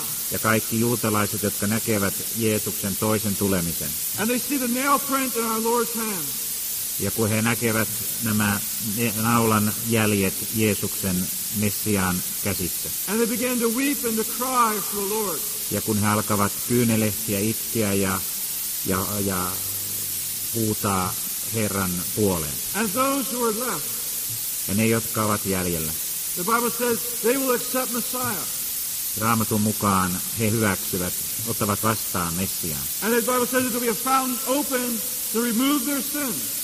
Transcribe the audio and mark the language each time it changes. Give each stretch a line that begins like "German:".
Finnish: Ja kaikki juutalaiset, jotka näkevät Jeesuksen toisen tulemisen.
English: And they see the nail print in our Lord's hand.
Finnish: Ja kun he näkevät nämä naulan jäljet Jeesuksen Messiaan käsissä.
English: And they begin to weep and to cry for the Lord.
Finnish: Ja kun he alkavat kyynelehtiä, itkeä ja huutaa Herran puoleen.
English: And those who are left.
Finnish: Ja ne, jotka ovat jäljellä.
English: The Bible says they will accept Messiah.
Finnish: Raamatun mukaan he hyväksyvät, ottavat vastaan Messiaan.
English: And the Bible says it will be a fountain open to remove their sins.